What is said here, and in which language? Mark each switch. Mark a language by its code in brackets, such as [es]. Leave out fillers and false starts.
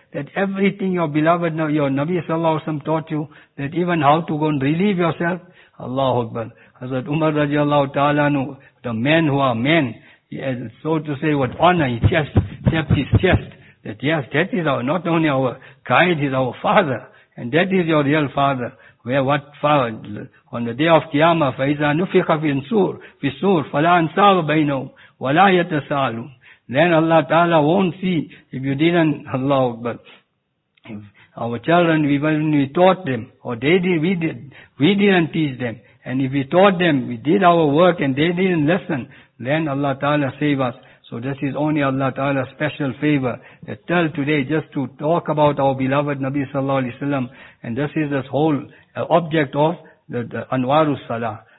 [en] That everything your beloved, your Nabi sallallahu alayhi wa sallam taught you, that even how to go and relieve yourself, Allahu Akbar. Hazrat Umar radiallahu ta'ala, the men who are men, so to say, with honor, he tapped his chest, that yes, that is our, not only our guide, he's our father, and that is your real father. Where what father? On the day of Qiyamah, [ar] فَإِذَا نُفِقَ فِي السُّور فَلَا أَنْسَابَ بَيْنَهُمْ وَلَا يَتَسَالُونَ. [en] Then Allah Ta'ala won't see if you didn't, Allahu Akbar. If our children, when we taught them, or they did, we didn't teach them. And if we taught them, we did our work and they didn't listen, then Allah Ta'ala save us. So this is only Allah Ta'ala's special favor. That till today, just to talk about our beloved Nabi Sallallahu Alaihi Wasallam, and this is this whole object of the Anwarus Salah.